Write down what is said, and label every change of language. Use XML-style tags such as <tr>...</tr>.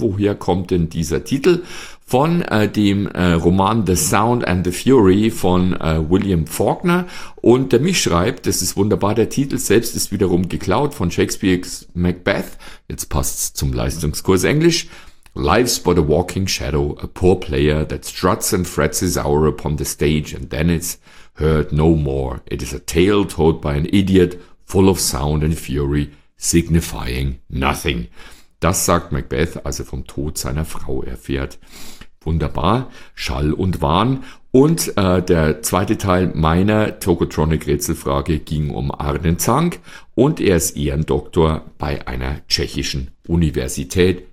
<de>Woher kommt denn dieser Titel? Von dem Roman The Sound and the Fury von William Faulkner. Und der Mich schreibt, das ist wunderbar, der Titel selbst ist wiederum geklaut von Shakespeare's Macbeth. Jetzt passt's zum Leistungskurs Englisch.</de> <en>Life's but a walking shadow, a poor player that struts and frets his hour upon the stage and then it's heard no more. It is a tale told by an idiot, full of sound and fury, signifying nothing.</en> <de>Das sagt Macbeth, als er vom Tod seiner Frau erfährt. Wunderbar, Schall und Wahn. Und der zweite Teil meiner Tokotronic-Rätselfrage ging um Arne Zank. Und er ist Ehrendoktor bei einer tschechischen Universität.</de>